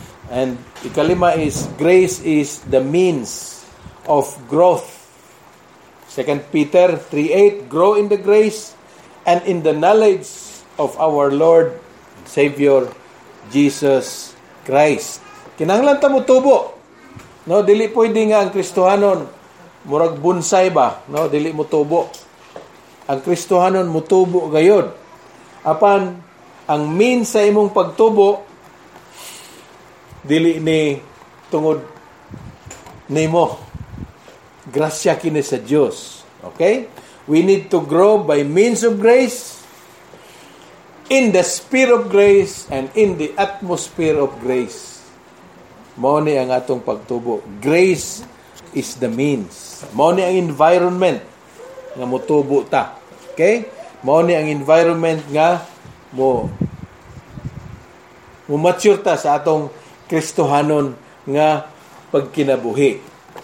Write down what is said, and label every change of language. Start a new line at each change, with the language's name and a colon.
English: And
Cebuano: ikalima
English: is, grace is the means of growth. 2 Peter 3:8, grow in the grace and in the knowledge of our Lord and Savior Jesus Christ.
Cebuano: Kinanglan ta mo tubo. No, dili pwede nga ang Kristohanon murag bonsai ba, no, dili mo tubo. Ang Kristohanon mutubo gayod. Apan ang means sa imong pagtubo dili ni tungod nimo. Grasya kini sa Dios. Okay?
English: We need to grow by means of grace, in the sphere of grace, and in the atmosphere of grace.
Cebuano: Mone ang atong pagtubo.
English: Grace is the means.
Cebuano: Mone ang environment nga mutubo ta. Okay? Mone ang environment nga mo mature ta sa atong Kristohanon nga pagkinabuhi.